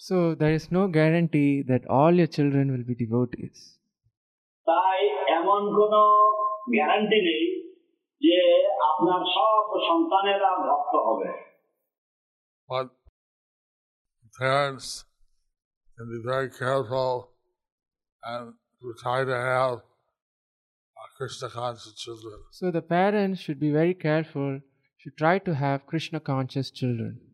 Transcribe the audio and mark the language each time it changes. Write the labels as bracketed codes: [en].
[en] So there is no guarantee that all your children will be devotees. [bn] তাই এমন কোন guarantee নেই যে আপনার সব সন্তানেরা ভক্ত হবে. [en] But parents can be very careful and to try to have Krishna conscious children. So the parents should be very careful, should try to have Krishna conscious children.